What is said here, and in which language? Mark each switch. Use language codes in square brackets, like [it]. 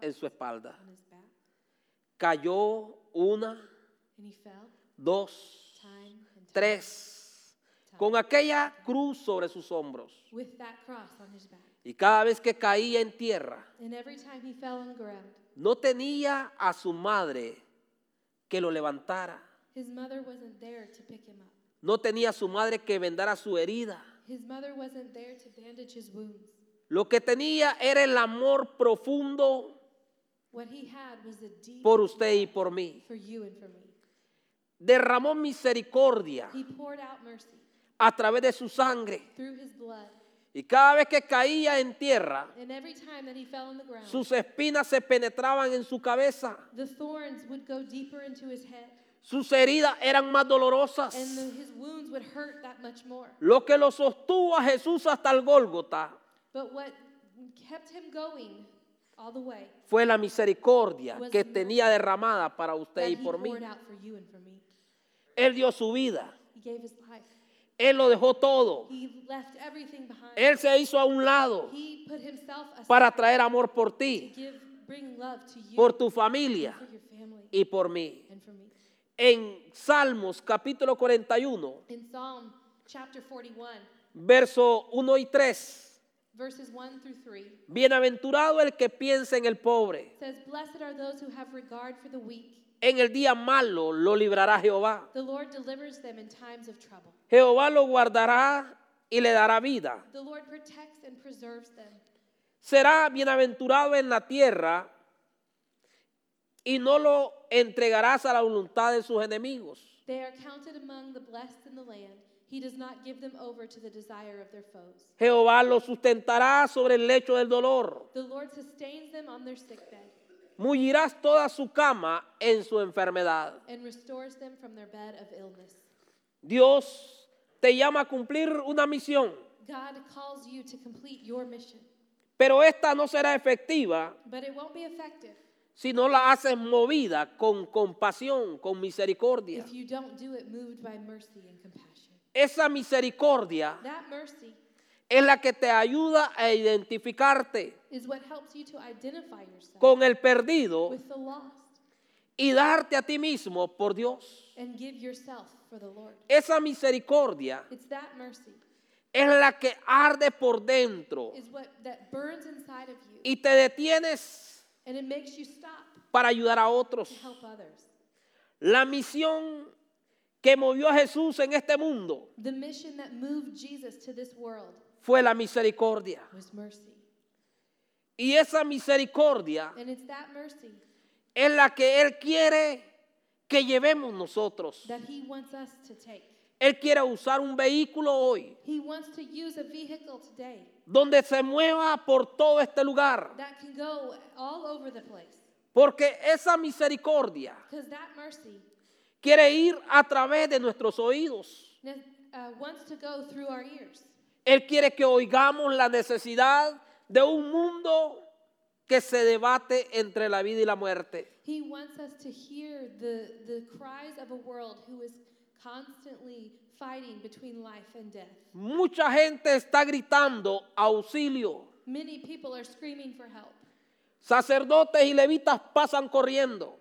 [es] en su espalda. [en] On his back. [es] Cayó una, [en] and he fell, [es] dos, [en] time and time. [es] Tres. [en] Time. [es] Con aquella cruz sobre sus hombros. [en] With that cross on his back. [es] Y cada vez que caía en tierra, [en] and every time he fell on the ground, [es] no tenía a su madre que lo levantara. [en] His mother wasn't there to pick him up. [es] No tenía a su madre que vendara su herida. [en] His mother wasn't there to bandage his wounds. [es] Lo que tenía era el amor profundo [en] What he had was a deep [es] por usted y por mí. [en] For you and for me. [es] Derramó misericordia [en] he poured out mercy [es] a través de su sangre. [en] Through his blood. [es] Y cada vez que caía en tierra, [en] and every time that he fell on the ground, [es] sus espinas se penetraban en su cabeza. [en] The thorns would go deeper into his head. [es] Sus heridas eran más dolorosas. [en] And his wounds would hurt that much more. [es] Lo que lo sostuvo a Jesús hasta el Gólgota, [en] but what kept him going all the way, [es] fue la misericordia que tenía derramada para usted [en] that [es] y por [en] he [es] mí. [en] Poured out for you and for me. [es] Él dio su vida. [en] He gave his life. [es] Él lo dejó todo. [en] He left everything behind. [es] Él se hizo a un lado [en] he put himself aside [es] para traer amor por ti, [en] to give, bring love to you, [es] por tu familia [en] and for your family, [es] y por mí. [en] And for me. [es] En Salmos capítulo 41, [en] in Psalm, chapter 41 [es] verso 1 y 3, [en] verses 1 through 3, [es] bienaventurado el que piensa en el pobre. [en] Says, blessed are those who have regard for the weak. [es] En el día malo lo librará Jehová. [en] The Lord delivers them in times of trouble. [es] Jehová lo guardará y le dará vida. [en] The Lord protects and preserves them. [es] Será bienaventurado en la tierra y no lo entregarás a la voluntad de sus enemigos. [en] They are counted among the blessed in the land. He does not give them over to the desire of their foes. [es] Jehová lo sustentará sobre el lecho del dolor. [en] The Lord sustains them on their sick bed. [es] Mullirás toda su cama en su enfermedad. [en] And restores them from their bed of illness. [es] Dios te llama a cumplir una misión. [en] God calls you to complete your mission. [es] Pero esta no será efectiva. [en] But it won't be effective. [es] Si no la haces movida con compasión, con misericordia. [en] If you don't do it moved by mercy and compassion. [es] Esa misericordia. [en] That mercy. [es] Es la que te ayuda a identificarte. [en] Is what helps you to identify yourself. [es] Con el perdido. [en] With the lost. [es] Y darte a ti mismo por Dios. [en] And give yourself for the Lord. [es] Esa misericordia. [en] It's that mercy. [es] Es la que arde por dentro. [en] Is what, that burns inside of you. [es] Y te detienes. [en] And it makes you stop [es] para ayudar a otros. [en] To help others. [es] La misión que movió a Jesús en este mundo. [en] The mission that moved Jesus to this world. [es] Fue la misericordia. [en] Was mercy. [es] Y esa misericordia. [en] And it's that mercy. [es] Es la que Él quiere que llevemos nosotros. [en] That He wants us to take. [es] Él quiere usar un vehículo hoy. [en] He wants to use a vehicle today. [es] Donde se mueva por todo este lugar. [en] That can go all over the place. [es] Porque esa misericordia. [en] Because that mercy. [es] Quiere ir a través de nuestros oídos. [en] Wants to go through our ears. [es] Él quiere que oigamos la necesidad de un mundo que se debate entre la vida y la muerte. [en] He wants us to hear the cries of a world who is constantly fighting between life and death. [es] Mucha gente está gritando auxilio. [en] Many people are screaming for help. [es] Sacerdotes y levitas pasan corriendo.